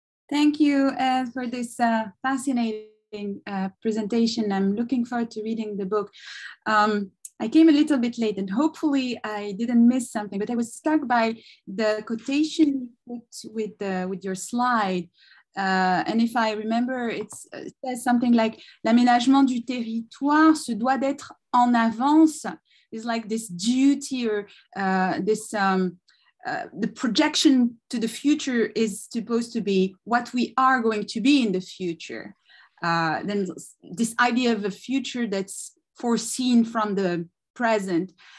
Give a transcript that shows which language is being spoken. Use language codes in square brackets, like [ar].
[en] Thank you for this fascinating presentation. I'm looking forward to reading the book. I came a little bit late and hopefully I didn't miss something, but I was struck by the quotation with your slide. And if I remember, it says something like, [fr] l'aménagement du territoire se doit d'être en avance. [en] It's like this duty or the projection to the future is supposed to be what we are going to be in the future. Then this idea of a future that's foreseen from the present.